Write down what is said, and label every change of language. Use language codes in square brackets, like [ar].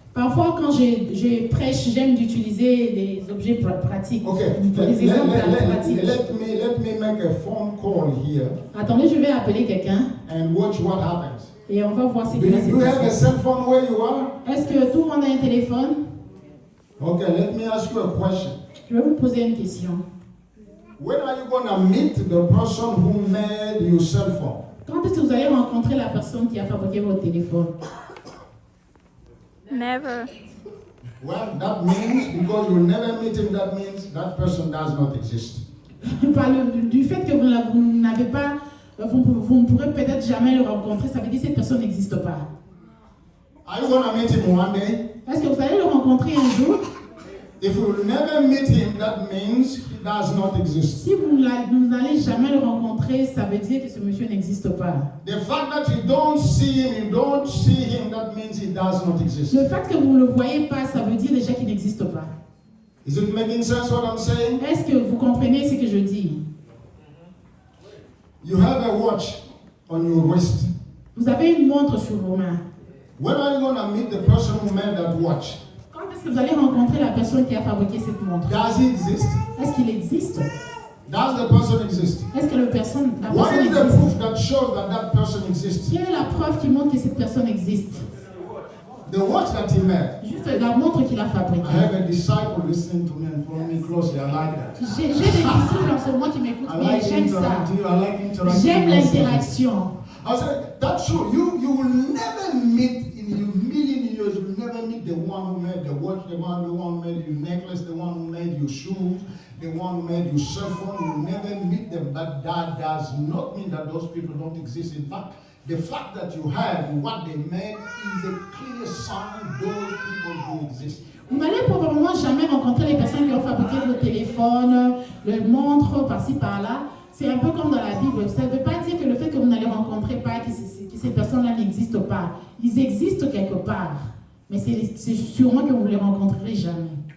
[fr] Parfois, quand je prêche, j'aime d'utiliser des objets pratiques. [en] Okay. Let me make a phone call here. [fr] Attendez, je vais appeler quelqu'un. [en] And watch what happens. [fr] Et on va voir ce qui se passe. [en] Do you have a cell phone where you are? [fr] Est-ce que tout le monde a un téléphone? [en] Okay, let me ask you a question. [fr] Je vais vous poser une question. [en] When are you going to meet the person who made your cell phone? [fr] Quand est-ce que vous allez rencontrer la personne qui a fabriqué votre téléphone? [en] Never. Well, that means because you never meet him, that means that person does not exist. [fr] Du fait que vous n'avez pas, vous ne pourrez peut-être jamais le rencontrer, ça veut dire que cette personne n'existe pas. [en] Are you going to meet him one day? [fr] Est-ce que vous allez le rencontrer un jour? [en] If we will never meet him, that means he does not exist. [fr] Si vous n'allez jamais le rencontrer, ça veut dire que ce monsieur n'existe pas. [en] The fact that you don't see him, that means he does not exist. [fr] Le fait que vous ne le voyez pas, ça veut dire déjà qu'il n'existe pas. [en] Is it making sense what I'm saying? [fr] Est-ce que vous comprenez ce que je dis? [en] You have a watch on your wrist. [fr] Vous avez une montre sur vos mains. [en] When are you going to meet the person who made that watch? [fr] Est-ce que vous allez rencontrer la personne qui a fabriqué cette montre? [en] Does he exist? [fr] Est-ce qu'il existe? [en] Does the person exist? [fr] Est-ce que la personne existe? [en] What is the proof that shows that person exists? [fr] Quelle est la preuve qui montre que cette personne existe? [en] The watch that he made. [fr] Juste la montre qu'il a fabriquée. [en] I have a disciple listening to me and following me closely. I like that. [fr] J'ai des disciples en ce moment qui m'écoutent. J'aime ça. [en] I like interaction. I said that's true. You will never meet in your million years. You will never meet the one who made the watch, the one who made your necklace, the one who made your shoes, the one who made your cell phone. You will never meet them. But that does not mean that those people don't exist. In fact, the fact that you have what they made is a clear sign those people do exist. [fr] Vous n'allez probablement jamais rencontrer les personnes qui ont fabriqué vos téléphones, les montres par-ci par-là. C'est un peu comme dans la Bible. Ça ne veut pas dire que le fait que vous n'allez rencontrer pas que ces personnes-là n'existent pas. Ils existent quelque part, mais c'est sûrement que vous ne les rencontrerez jamais.